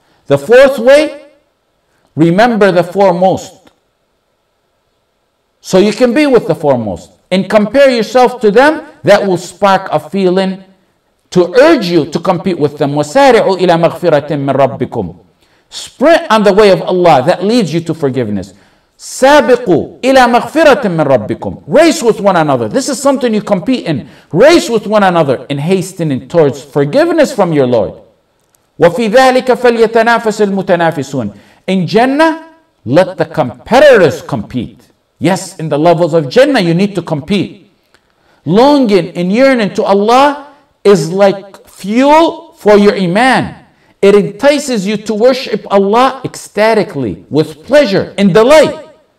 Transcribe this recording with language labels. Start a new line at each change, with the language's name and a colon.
English: The fourth way, remember the foremost. So you can be with the foremost and compare yourself to them. That will spark a feeling to urge you to compete with them.
Arabic: وَسَارِعُوا إِلَى مَغْفِرَةٍ مِّن رَبِّكُمْ.
English: Sprint on the way of Allah that leads you to forgiveness.
Arabic: سابقوا إلى مغفرة من ربكم.
English: Race with one another. This is something you compete in. Race with one another in hastening towards forgiveness from your Lord.
Arabic: وفي ذلك فليتنافس المتنافسون.
English: In Jannah, let the competitors compete. Yes, in the levels of Jannah, you need to compete. Longing and yearning to Allah is like fuel for your iman. It entices you to worship Allah ecstatically, with pleasure and delight.